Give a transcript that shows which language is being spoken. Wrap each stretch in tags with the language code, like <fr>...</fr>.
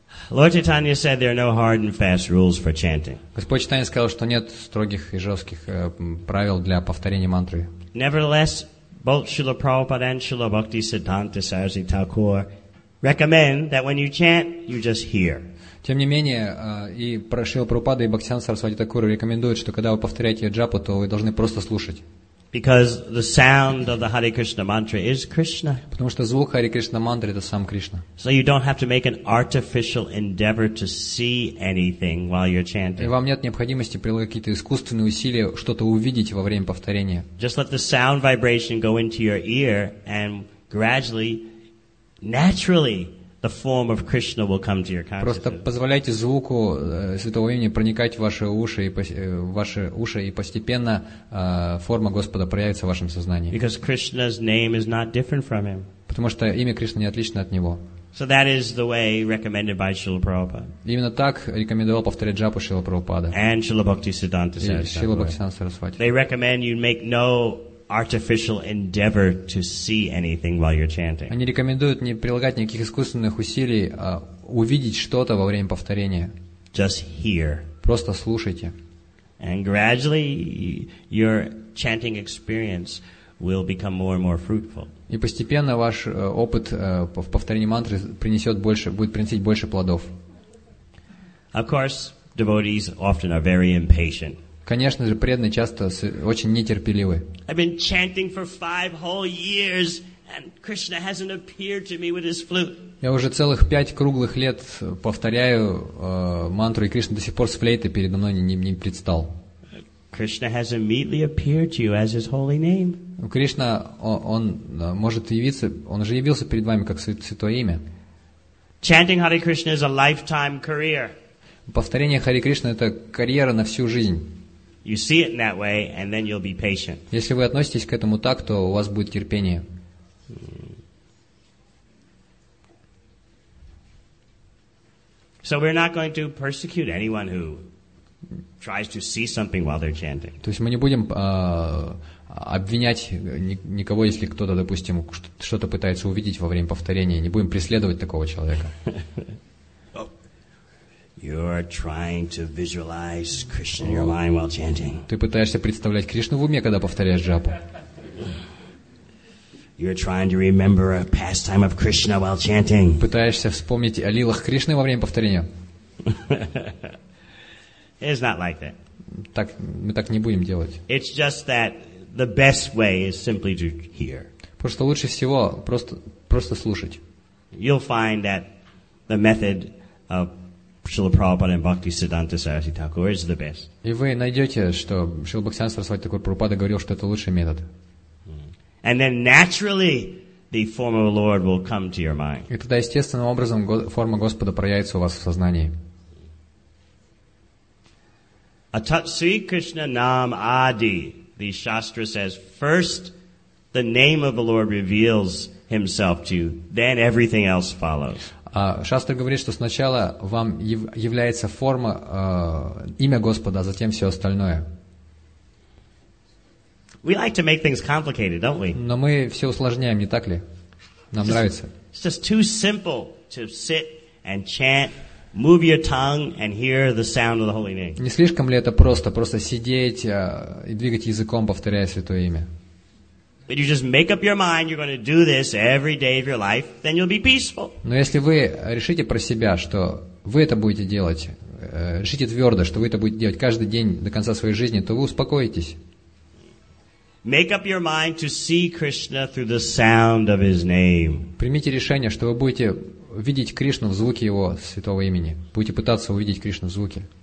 <en>Lord Chaitanya said there are no hard and fast rules for chanting.</en> <ru>Господь Чайтанья сказал, что нет строгих и жестких правил для повторения мантры.</ru> <en>Nevertheless, both Srila Prabhupada and Srila Bhakti Siddhanta Sarasvati Thakur recommend that when you chant, you just hear.</en> <ru>Тем не менее, и Шрила Прабхупада, и Бхактисиддханта Сарасвати Такура рекомендуют, что когда вы повторяете джапу, то вы должны просто слушать.</ru> <en>Because the sound of the Hare Krishna mantra is Krishna.</en> <ru>Потому что звук Hare Krishna mantra это сам Кришна.</ru> <en>So you don't have to make an artificial endeavor to see anything while you're chanting.</en> <ru>И вам нет необходимости прилагать какие-то искусственные усилия, что-то увидеть во время повторения.</ru> <en>Just let the sound vibration go into your ear and gradually. Naturally, the form of Krishna will come to your consciousness.</en> <ru>Просто позволяйте звуку святого имени проникать в ваши уши и постепенно форма Господа проявится в вашем сознании.</ru> <en>Because Krishna's name is not different from him.</en> <ru>Потому что имя Кришны не отлично от него.</ru> <en>So that is the way recommended by Srila Prabhupada.</en> <ru>Именно так рекомендовал повторять джапу Шрила Прабхупада.</ru> <en>And Srila Bhakti Siddhanta Sarasvati. They recommend you make no artificial endeavor to see anything while you're chanting.</en> <ru>Они рекомендуют не прилагать никаких искусственных усилий, а увидеть что-то во время повторения.</ru> <en>Just hear.</en> <ru>Просто слушайте.</ru> <en>And gradually your chanting experience will become more and more fruitful.</en> <ru>И постепенно ваш опыт в повторении мантры будет приносить больше плодов.</ru> <en>Of course, devotees often are very impatient.</en> <ru>Конечно же, преданные часто очень нетерпеливы.</ru> <en>I've been chanting for 5 whole years, and Krishna hasn't appeared to me with his flute.</en> <ru>Я уже целых 5 круглых лет повторяю мантру, и Кришна до сих пор с флейтой передо мной не предстал.</ru> <en>Krishna has immediately appeared to you as his holy name.</en> <ru>Кришна, он может явиться, он уже явился перед вами как святое имя.</ru> <en>Chanting Hare Krishna is a lifetime career.</en> <ru>Повторение Хари Кришна это карьера на всю жизнь.</ru> <en>You see it in that way, and then you'll be patient.</en> <ru>Если вы относитесь к этому так, то у вас будет терпение.</ru> <en>So we're not going to persecute anyone who tries to see something while they're chanting.</en> <ru>То есть мы не будем обвинять никого, если кто-то, допустим, что-то пытается увидеть во время повторения, не будем преследовать такого человека.</ru> <en>You're trying to visualize Krishna in your mind while chanting.</en> <ru>Ты пытаешься представлять Кришну в уме, когда повторяешь джапу.</ru> <en>You're trying to remember a pastime of Krishna while chanting.</en> <ru>Пытаешься вспомнить о лилах Кришны во время повторения.</ru> <en>It's not like that.</en> <ru>Так мы так не будем делать.</ru> <en>It's just that the best way is simply to hear.</en> <ru>Просто лучше всего просто слушать.</ru> <en>You'll find that the method of Srila Prabhupada and Bhaktisiddhanta Saraswati Thakur is the best.</en> <ru>И вы найдете, что Шрила Бхактисиддханта Сарасвати Тхакур Прабхупада говорил, что это лучший метод.</ru> <en>And then naturally the form of the Lord will come to your mind.</en> <ru>И тогда естественным образом форма Господа проявится у вас в сознании.</ru> <sa>Atat Sri Krishna Nam Adi,</sa> <en>the Shastra says, first the name of the Lord reveals himself to you, then everything else follows.</en> <ru>Шастра говорит, что сначала вам является форма, имя Господа, а затем все остальное.</ru> <en>We like to make things complicated, don't we?</en> <ru>Но мы все усложняем, не так ли? Нам нравится.</ru> <en>It's just too simple to sit and chant, move your tongue and hear the sound of the holy name.</en> <ru>Не слишком ли это просто сидеть и двигать языком, повторяя святое имя?</ru> <en>But you just make up your mind you're going to do this every day of your life, then you'll be peaceful.</en> <ru>Но если вы решите про себя, что вы это будете делать, решите твердо, что вы это будете делать каждый день до конца своей жизни, то вы успокоитесь.</ru> <en>Make up your mind to see Krishna through the sound of his name.</en> <ru>Примите решение, что вы будете видеть Кришну в звуке его святого имени. Будете пытаться увидеть Кришну в звуке.</ru>